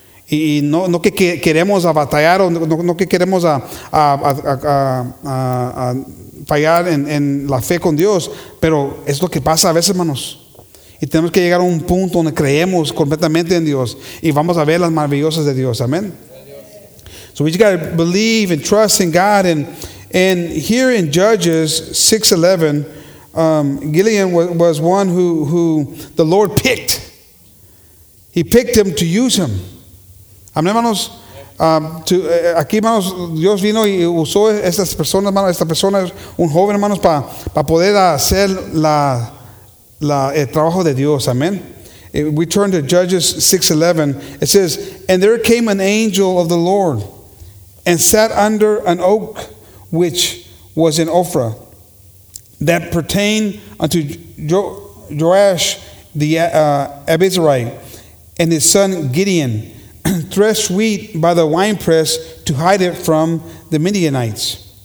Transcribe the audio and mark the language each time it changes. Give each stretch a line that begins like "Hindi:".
Spanish: Y no que queremos a batallar, o no que queremos a fallar en la fe con Dios, pero es lo que pasa a veces, hermanos. Y tenemos que llegar a un punto donde creemos completamente en Dios y vamos a ver las maravillosas de Dios. Amén.
English: So we just gotta believe and trust in God. And here in Judges 6:11, Gideon was one who the Lord picked. He picked him to use him. Amén, hermanos.
Spanish: Aquí, hermanos, Dios vino y usó estas personas, hermanos. Esta persona es un joven, hermanos, para poder hacer el trabajo de Dios.
English: Amén. We turn to Judges 6:11. It says, "And there came an angel of the Lord and sat under an oak, which was in Ophrah, that pertained unto Joash the Abizrite, and his son Gideon, threshed wheat by the winepress to hide it from the Midianites.